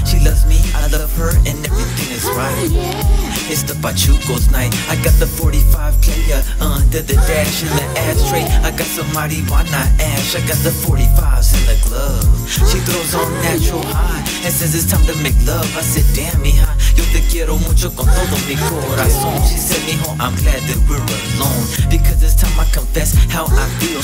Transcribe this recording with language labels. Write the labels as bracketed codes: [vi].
[en] She loves me, I love her, and everything is right. It's the Pachuco's night. I got the 45 player under the dash in the ashtray. I got some marijuana ash. I got the 45s in the glove. She throws on natural high and says it's time to make love. I said, damn, [es] mija, yo te quiero mucho con todo mi corazón. [en] She said, mijo, I'm glad that we're alone, because it's time I confess how I feel.